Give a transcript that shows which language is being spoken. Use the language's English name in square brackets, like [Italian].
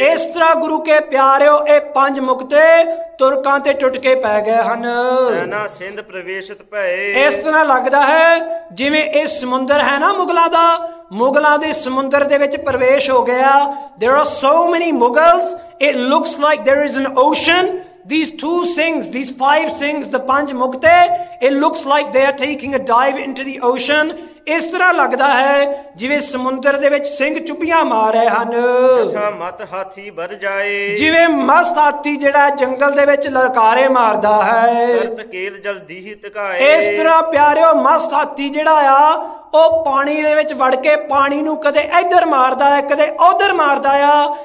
[Punjabi] ਇਸ ਤਰ੍ਹਾਂ ਗੁਰੂ ਕੇ ਪਿਆਰਿਓ ਇਹ ਪੰਜ ਮੁਕਤੇ ਤੁਰਕਾਂ ਤੇ ਟੁੱਟ ਕੇ ਪੈ ਗਏ ਹਨ। ਸੈਨਾ ਸਿੰਧ ਪ੍ਰਵੇਸ਼ਿਤ ਭਏ, ਇਸ ਤਰ੍ਹਾਂ ਲੱਗਦਾ ਹੈ ਜਿਵੇਂ ਇਹ ਸਮੁੰਦਰ ਹੈ ਨਾ ਮੁਗਲਾਂ ਦਾ, ਮੁਗਲਾਂ ਦੇ ਸਮੁੰਦਰ ਦੇ ਵਿੱਚ ਪ੍ਰਵੇਸ਼ ਹੋ ਗਿਆ। [English] There are so many Mughals, it looks like there is an ocean. These two sings, these five sings, the panch mukte, it looks like they are taking a dive into the ocean. [Punjabi] ਇਸ ਤਰ੍ਹਾਂ ਲੱਗਦਾ ਹੈ ਜਿਵੇਂ ਸਮੁੰਦਰ ਦੇ ਵਿੱਚ ਸਿੰਘ ਚੁੱਪੀਆਂ ਮਾਰ ਰਹੇ ਹਨ। ਮਤ ਹਾਥੀ ਵਰ ਜਾਏ, ਜਿਵੇਂ ਮਸਤ ਹਾਥੀ ਜਿਹੜਾ ਜੰਗਲ ਦੇ ਵਿੱਚ ਲਲਕਾਰੇ ਮਾਰਦਾ ਹੈ। ਤਕੇਲ ਜਲਦੀ ਹੀ ਤਕਾਏ, ਇਸ ਤਰ੍ਹਾਂ ਪਿਆਰਿਓ ਮਸਤ ਹਾਥੀ ਜਿਹੜਾ ਆ ਉਹ ਪਾਣੀ ਦੇ ਵਿੱਚ ਵੜ ਕੇ ਪਾਣੀ ਨੂੰ ਕਦੇ ਇੱਧਰ ਮਾਰਦਾ ਹੈ ਕਦੇ ਉੱਧਰ ਮਾਰਦਾ ਆ।